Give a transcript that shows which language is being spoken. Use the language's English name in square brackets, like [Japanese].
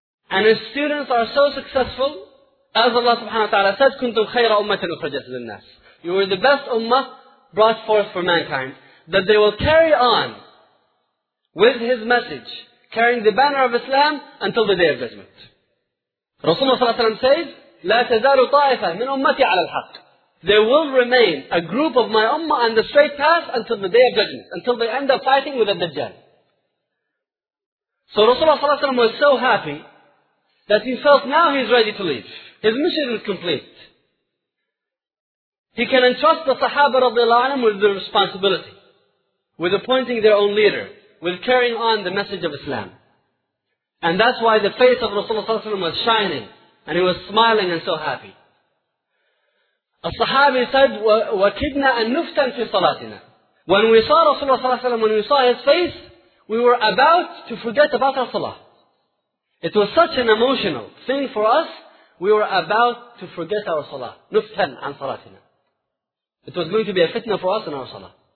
[English] And his students are so successful, as Allah subhanahu wa ta'ala said, [Arabic] كُنْتُمْ خَيْرَ أُمَّةً أُخْرِجَتْ لِلنَّاسِ. [English] You were the best ummah brought forth for mankind. That they will carry on with his message, carrying the banner of Islam until the day of judgment. [Arabic] Rasulullah ﷺ says, لا تزال طائفة من أمتي على الحق. [English] There will remain a group of my ummah on the straight path until the day of judgment, until they end up fighting with the Dajjal. So Rasulullah ﷺ was so happy that he felt now he's ready to leave. His mission is complete. He can entrust the Sahaba radiallahu anhum with the responsibility, with appointing their own leader, with carrying on the message of Islam. And that's why the face of Rasulullah ﷺ was shining, and he was smiling and so happy. A Sahabi said, [Arabic] وَكِدْنَا أَن نُفْتَنْ فِي صَلَاتِنَا. [English] When we saw Rasulullah ﷺ, when we saw his face, we were about to forget about our salah. It was such an emotional thing for us, we were about to forget our salah. [Arabic] نُفْتَنْ عَن صَلَاتِنَا. [English] It was going to be a fitna for us in our salah.